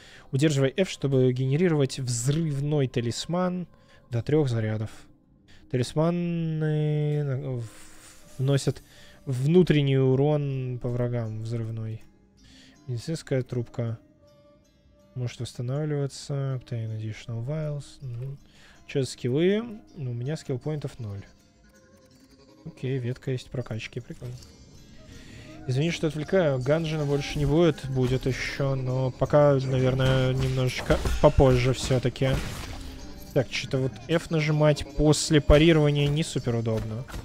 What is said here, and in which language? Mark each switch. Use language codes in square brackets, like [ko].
[ru] Удерживай F, чтобы генерировать взрывной талисман до 3 зарядов. Талисманы вносят внутренний урон по врагам взрывной. Медицинская трубка может восстанавливаться. [en] Obtain additional vials. [ru] Что за скиллы? Ну, у меня скиллпоинтов 0. Окей, ветка есть прокачки. Прикольно. Извини, что отвлекаю. Ганжина больше не будет. Будет еще, но пока, наверное, немножечко попозже все-таки. Так, что-то вот F нажимать после парирования не супер удобно.